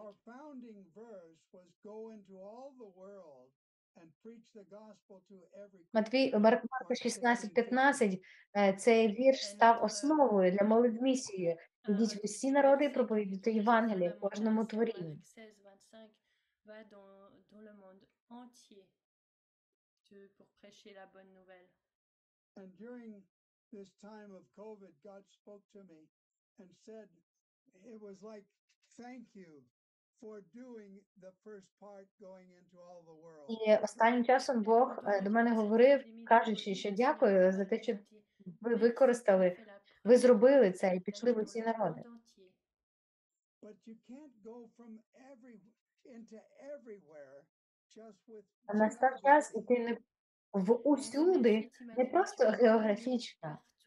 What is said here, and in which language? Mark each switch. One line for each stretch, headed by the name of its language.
English: Our founding verse was go into all the world and preach the gospel to every.
Ukrainian: Марка 16:15 цей вірш став основою для молодь місії. Ідіть в усі народи і проповідуйте Євангеліє кожному творінню.
French: 16:25 va dans le monde entier pour prêcher la bonne nouvelle.
English: And during this time of COVID, God spoke to me and said, it was like thank you for doing the first part going into all the world.
Ukrainian: І останнім часом Бог до мене говорив, кажучи, що дякую за те, що ви використали, ви зробили це і пішли в усі народи.
English: But you can't go from into everywhere just with.
Ukrainian: Настав час іти не в усюди, не просто географічно.